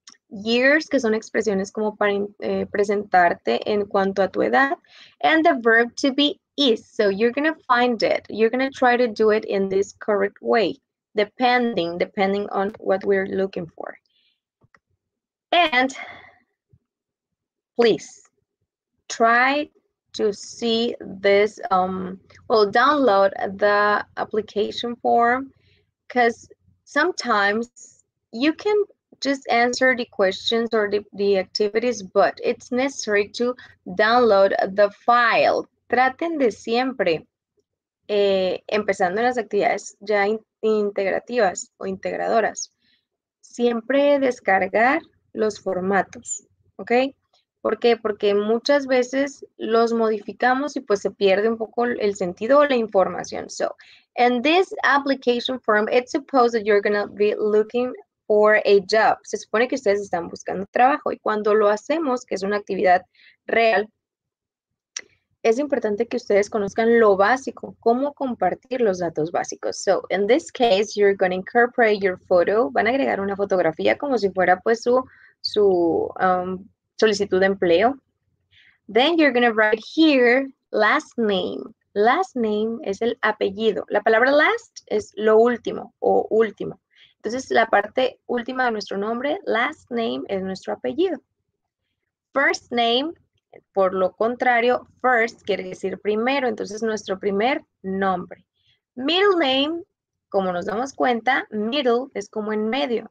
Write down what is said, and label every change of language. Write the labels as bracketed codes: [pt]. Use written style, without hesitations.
[es] Years, que son expresiones como para presentarte en cuanto a tu edad. [en] And the verb to be is. So you're going to find it. You're going to try to do it in this correct way, depending on what we're looking for. And please try to see this, download the application form, because sometimes you can just answer the questions or the activities, but it's necessary to download the file. [es] Traten de siempre, empezando en las actividades ya integrativas o integradoras, siempre descargar los formatos, ¿ok? ¿Por qué? Porque muchas veces los modificamos y pues se pierde un poco el sentido o la información. [en] So, in this application form, it's supposed that you're going to be looking for a job. [es] Se supone que ustedes están buscando trabajo y cuando lo hacemos, que es una actividad real, es importante que ustedes conozcan lo básico, cómo compartir los datos básicos. [en] So, in this case, you're going to incorporate your photo. [es] Van a agregar una fotografía como si fuera pues solicitud de empleo. [en] Then you're going to write here last name. [es] Last name es el apellido. La palabra last es lo último o último. Entonces, la parte última de nuestro nombre, last name, es nuestro apellido. First name, por lo contrario, first quiere decir primero. Entonces, nuestro primer nombre. Middle name, como nos damos cuenta, middle es como en medio.